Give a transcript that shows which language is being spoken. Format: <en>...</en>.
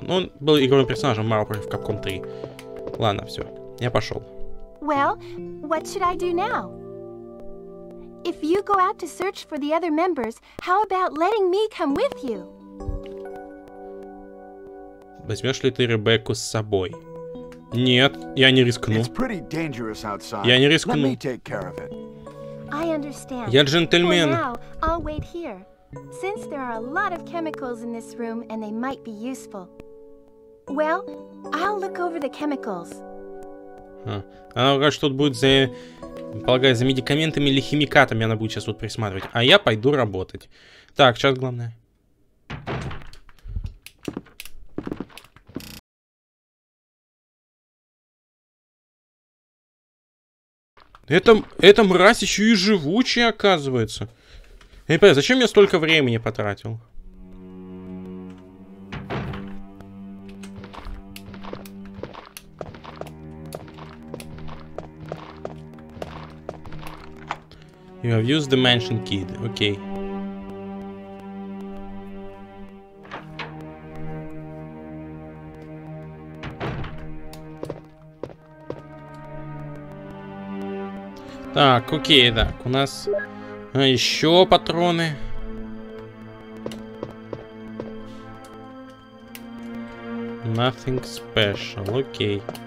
<ru>Ну, он был игровым персонажем Marvel против Capcom 3. Ладно, все, я пошел.</ru> <en>Well, what should I do now? If you go out to search for the other members, how about letting me come with you?</en> <ru>Возьмешь ли ты Ребекку с собой? Нет, я не рискну.</ru> <en>It's pretty dangerous outside.</en> <ru>Я не рискну.</ru> <en>Let me take care of it. I understand.</en> <ru>Я джентльмен.</ru> <en>For now, I'll wait here. Since there are a lot of chemicals in this room and they might be useful. Well, I'll look over the chemicals.</en> <ru>Она говорит, что тут будет за... Полагаю, за медикаментами или химикатами она будет сейчас тут присматривать. А я пойду работать. Так, сейчас главное. Эта мразь еще и живучая, оказывается. Я не понимаю, зачем я столько времени потратил?</ru> <en>You have used the mansion key. Okay.</en> <ru>Так, окей, так, у нас еще патроны.</ru> <en>Nothing special, окей.</en>